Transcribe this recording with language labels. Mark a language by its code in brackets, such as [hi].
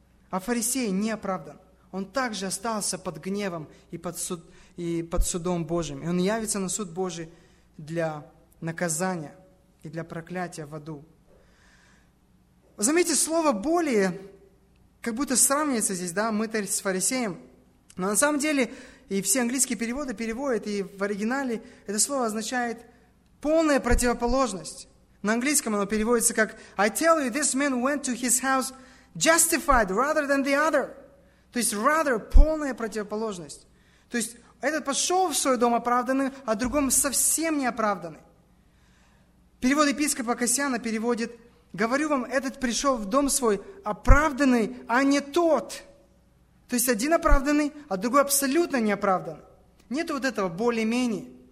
[ru] А фарисей не оправдан. Он также остался под гневом и под судом Божьим. И он явится на суд Божий для наказания и для проклятия в аду. Заметьте, слово «более» как будто сравнивается здесь, да, мытарь с фарисеем. Но на самом деле... И все английские переводы переводят, и в оригинале это слово означает полная противоположность. На английском оно переводится как [en] «I tell you, this man went to his house justified rather than the other». [ru] То есть «rather» – полная противоположность. То есть этот пошел в свой дом оправданный, а другом совсем не оправданный. Перевод епископа Кассиана переводит: «Говорю вам, этот пришел в дом свой оправданный, а не тот». То есть один оправданный, а другой абсолютно не оправдан. Нет вот этого более-менее.